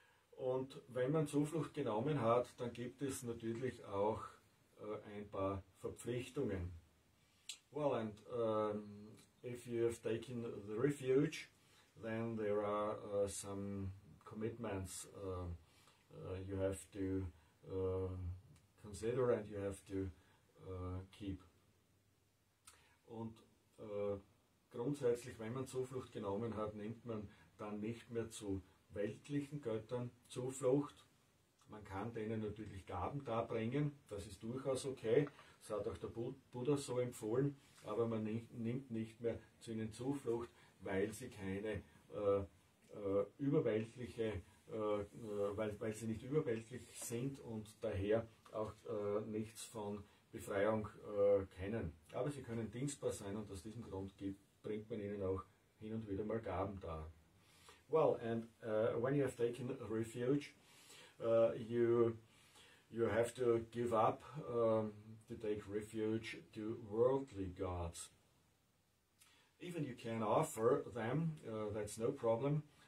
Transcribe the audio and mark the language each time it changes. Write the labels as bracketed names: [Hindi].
[German] Und wenn man Zuflucht genommen hat, dann gibt es natürlich auch ein paar Verpflichtungen. [English] Well, and if you have taken the refuge, then there are some commitments you have to consider and you have to keep. [German] Und grundsätzlich, wenn man Zuflucht genommen hat, nimmt man dann nicht mehr zu weltlichen Göttern Zuflucht. Man kann denen natürlich Gaben darbringen, das ist durchaus okay, das hat auch der Buddha so empfohlen, aber man nimmt nicht mehr zu ihnen Zuflucht, weil sie keine überweltliche, weil sie nicht überweltlich sind und daher auch nichts von Befreiung kennen. Aber sie können dienstbar sein und aus diesem Grund bringt man ihnen auch hin und wieder mal Gaben dar. [English] Well, and when you have taken refuge, you have to give up to take refuge to worldly gods. Even you can offer them, that's no problem.